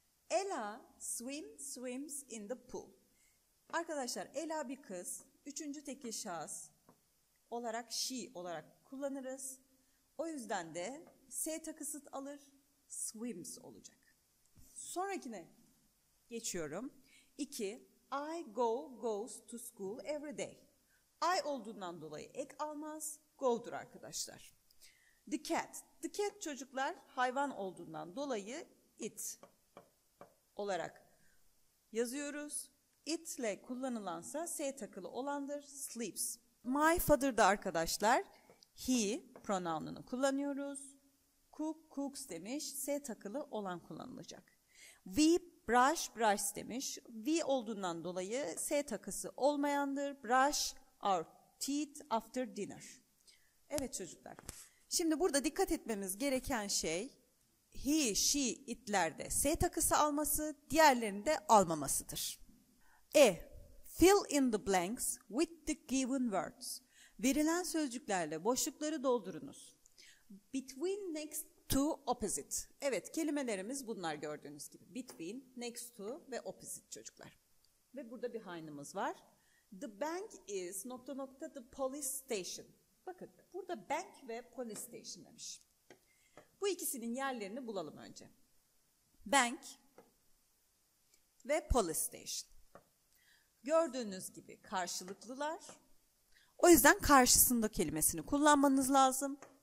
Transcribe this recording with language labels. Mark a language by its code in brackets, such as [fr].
[en] Ella swims in the pool. [tr] Arkadaşlar, Ella bir kız. Üçüncü tekil şahıs olarak she olarak kullanırız. O yüzden de S takısıt alır, swims olacak. Sonrakine geçiyorum. 2. [en] I go goes to school every day. [tr] I olduğundan dolayı ek almaz, go'dur arkadaşlar. [en] The cat. The cat [tr] çocuklar hayvan olduğundan dolayı it olarak yazıyoruz. It ile kullanılansa s takılı olandır, sleeps. My father da arkadaşlar he pronoununu kullanıyoruz. Cook cooks demiş, s takılı olan kullanılacak. [en] We brush brush [tr] demiş, we olduğundan dolayı s takısı olmayandır. [en] Brush our teeth after dinner. [tr] Evet çocuklar. Şimdi burada dikkat etmemiz gereken şey he, she, itlerde s takısı alması, diğerlerinde almamasıdır. E. [en] Fill in the blanks with the given words. [tr] Verilen sözcüklerle boşlukları doldurunuz. [en] Between, next to, opposite. [tr] Evet, kelimelerimiz bunlar gördüğünüz gibi. Between, next to ve opposite çocuklar. Ve burada bir behind'ımız var. [en] The bank is [tr] nokta nokta [en] the police station. [tr] Bakın burada bank ve police station demiş. Bu ikisinin yerlerini bulalım önce. Bank ve police station. Gördüğünüz gibi karşılıklılar. O yüzden karşısında kelimesini kullanmanız lazım.